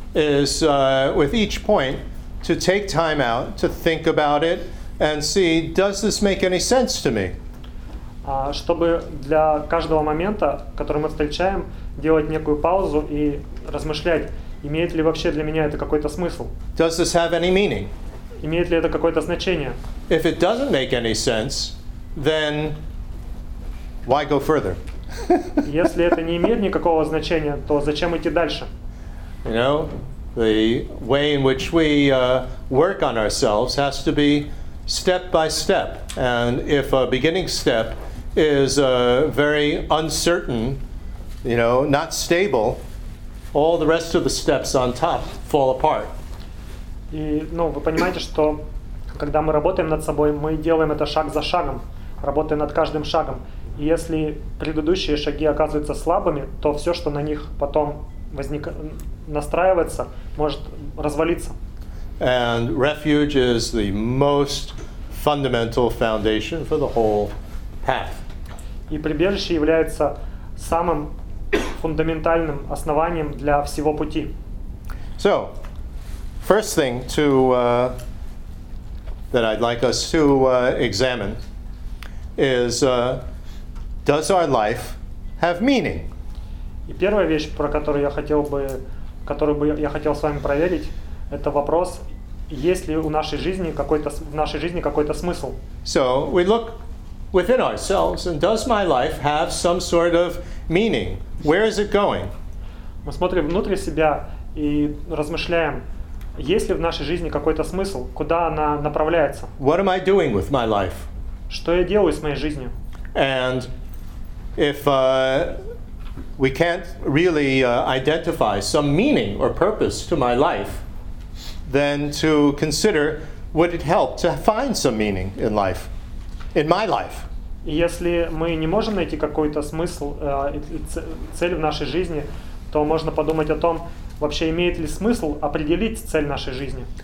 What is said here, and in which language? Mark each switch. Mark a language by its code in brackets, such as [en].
[en] Is with each point to take time out to think about it and see, does this make any sense to me? [ru] Чтобы для каждого момента, который мы встречаем, делать некую паузу и размышлять, имеет ли вообще для меня это какой-то смысл? [en] Does this have any meaning? [ru] Имеет ли это какое-то значение? [en] If it doesn't make any sense, then why go further? [ru] Если это не имеет никакого значения, то зачем идти дальше? [en] You know, the way in which we work on ourselves has to be step by step. And if a beginning step is very uncertain, you know, not stable, all the rest of the steps on top fall apart. [ru] И, ну, вы понимаете, что когда мы работаем над собой, мы делаем это шаг за шагом, работая над каждым шагом. И если предыдущие шаги оказываются слабыми, то все, что на них потом настраивается, может развалиться. [en] And refuge is the most fundamental foundation for the whole path. [ru] И прибежище является самым фундаментальным основанием для всего пути. [en] So, first thing to that I'd like us to examine is does our life have meaning? [ru] И первая вещь, про которую я хотел бы, с вами проверить, это вопрос, есть ли у нашей жизни какой-то, в нашей жизни какой-то смысл. [en] So we look within ourselves, and does my life have some sort of meaning? Where is it going? [ru] Мы смотрим внутрь себя и размышляем, есть ли в нашей жизни какой-то смысл, куда она направляется? [en] What am I doing with my life? [ru] Что я делаю с моей жизнью? [en] And if we can't really identify some meaning or purpose to my life, then to consider, would it help to find some meaning in life? In my life. [ru] Если мы не можем найти какой-то смысл, цель в нашей жизни, то можно подумать о том, вообще имеет ли смысл определить цель нашей жизни.